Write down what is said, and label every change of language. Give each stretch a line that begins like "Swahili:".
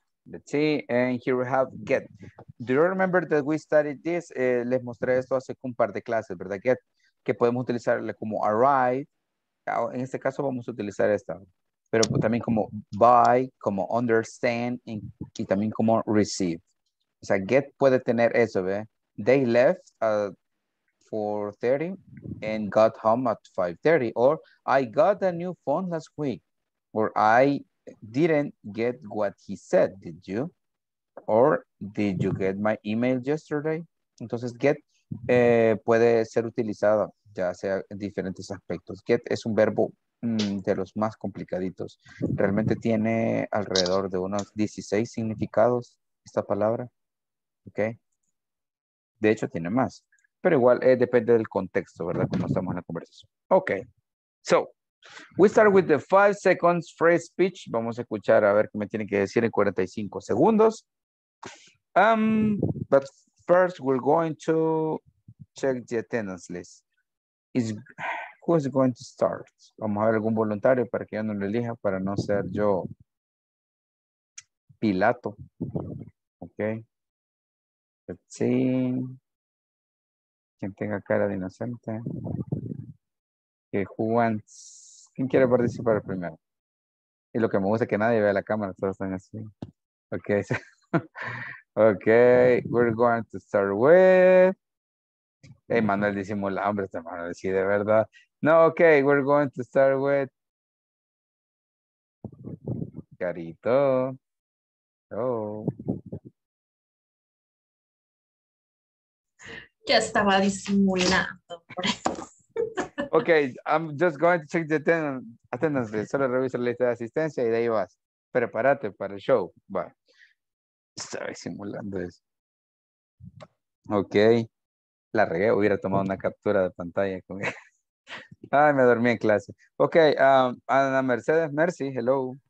English: Let's see, and here we have get. Do you remember that we studied this?
Spanish: Les mostré esto hace un par de clases, ¿verdad? Get, que podemos utilizarle como arrive. En este caso vamos a utilizar esta. Pero también como buy, como understand, y también como receive. O sea, get puede tener eso, ¿ve?
English: They left 4:30 and got home at 5:30, or I got a new phone last week, or I didn't get what he said, did you? Or did you get my email yesterday?
Spanish: Entonces, get puede ser utilizado, ya sea en diferentes aspectos. Get es un verbo de los más complicaditos. Realmente tiene alrededor de unos 16 significados esta palabra. Okay. De hecho, tiene más. Pero igual depende del contexto, ¿verdad? Como estamos en la conversación. Ok.
English: So, we start with the 5 seconds free speech.
Spanish: Vamos a escuchar a ver qué me tienen que decir en 45 segundos.
English: But first, we're going to check the attendance list. Who's going to start?
Spanish: Vamos a ver algún voluntario para que yo no lo elija, para no ser yo Pilato.
English: Ok. Let's see.
Spanish: Quien tenga cara de inocente.
English: Okay, who wants?
Spanish: ¿Quién quiere participar primero? Y lo que me gusta es que nadie vea la cámara, todos están así. Ok.
English: Ok, we're going to start with.
Spanish: Hey, Manuel, disimula, hombre, este hermano, sí, de verdad.
English: No, ok, we're going to start with. Carito. Oh.
Spanish: Ya estaba disimulando.
English: Ok, I'm just going to check the attendance list.
Spanish: Solo reviso la lista de asistencia y de ahí vas. Prepárate para el show. Va. Estaba disimulando eso. Ok. La regué. Hubiera tomado una captura de pantalla. Con... Ay, me dormí en clase.
English: Ok, Ana Mercedes. Mercy, hello.